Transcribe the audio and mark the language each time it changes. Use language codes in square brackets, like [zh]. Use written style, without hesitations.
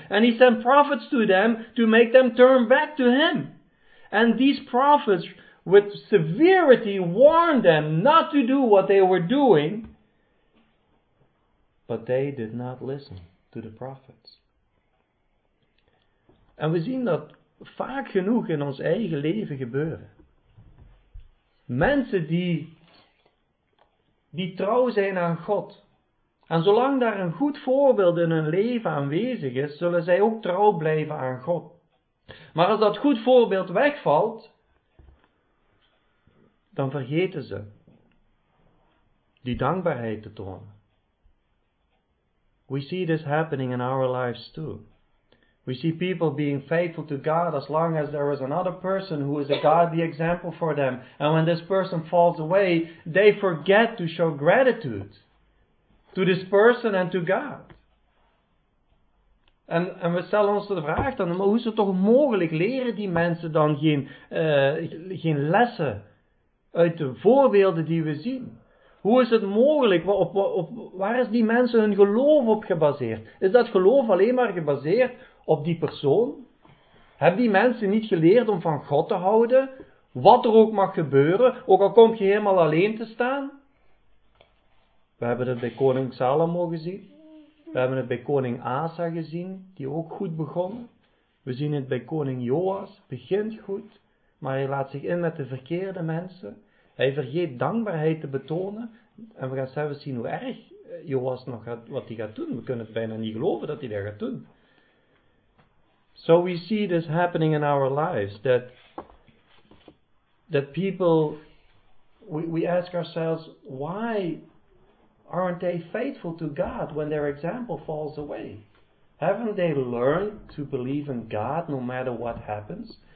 [en] And he sent prophets to them to make them turn back to him. And these prophets with severity warned them not to do what they were doing. But they did not listen to the prophets. [nl] En we zien dat vaak genoeg in ons eigen leven gebeuren. Mensen die trouw zijn aan God. En zolang daar een goed voorbeeld in hun leven aanwezig is, zullen zij ook trouw blijven aan God. Maar als dat goed voorbeeld wegvalt, dan vergeten ze die dankbaarheid te tonen. [en] We see this happening in our lives too. We see people being faithful to God as long as there is another person who is a godly example for them. And when this person falls away, they forget to show gratitude to this person and to God. [nl] En we stellen ons de vraag dan, maar hoe is het toch mogelijk? Leren die mensen dan geen lessen uit de voorbeelden die we zien? Hoe is het mogelijk? Waar is die mensen hun geloof op gebaseerd? Is dat geloof alleen maar gebaseerd op die persoon? Hebben die mensen niet geleerd om van God te houden? Wat er ook mag gebeuren, ook al kom je helemaal alleen te staan. We hebben het bij koning Salomo gezien. We hebben het bij koning Asa gezien, die ook goed begon. We zien het bij koning Joas, begint goed. Maar hij laat zich in met de verkeerde mensen. Hij vergeet dankbaarheid te betonen. En we gaan zelfs zien hoe erg Joas nog gaat, wat hij gaat doen. We kunnen het bijna niet geloven dat hij dat gaat doen. [en] So we see this happening in our lives. That people, we ask ourselves, why aren't they faithful to God when their example falls away? Haven't they learned to believe in God no matter what happens?